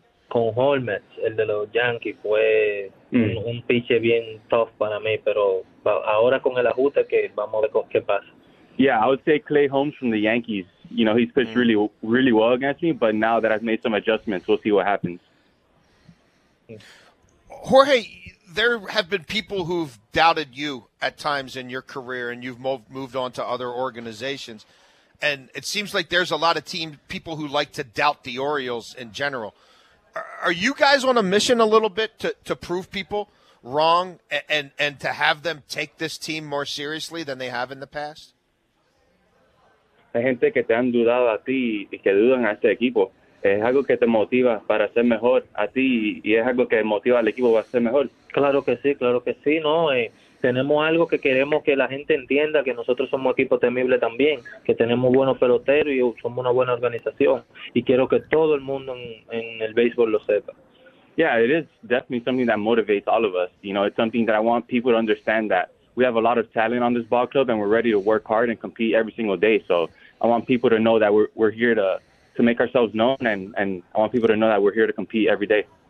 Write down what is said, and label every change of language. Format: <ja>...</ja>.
<es>Con Holmes, el de los Yankees, fue un pitcher bien tough para mí, pero ahora con el ajuste que vamos a ver qué pasa.</es> <en>Yeah, I would say Clay Holmes from the Yankees. You know, he's pitched really, really well against me, but now that I've made some adjustments, we'll see what happens. Jorge, there have been people who've doubted you at times in your career, and you've moved on to other organizations, and it seems like there's a lot of team people who like to doubt the Orioles in general. Are you guys on a mission a little bit to prove people wrong and to have them take this team more seriously than they have in the past?</en> <es>Hay gente que te han dudado a ti y que dudan a este equipo. es algo que te motiva para ser mejor a ti y es algo que motiva al equipo para ser mejor. Claro que sí, ¿no? Tenemos algo que queremos que la gente entienda, que nosotros somos equipo temible también, que tenemos buenos peloteros y somos una buena organización. Y quiero que todo el mundo en el béisbol lo sepa.</es> <en>Yeah, it is definitely something that motivates all of us. You know, it's something that I want people to understand that we have a lot of talent on this ball club and we're ready to work hard and compete every single day. So I want people to know that we're here to make ourselves known and I want people to know that we're here to compete every day.</en>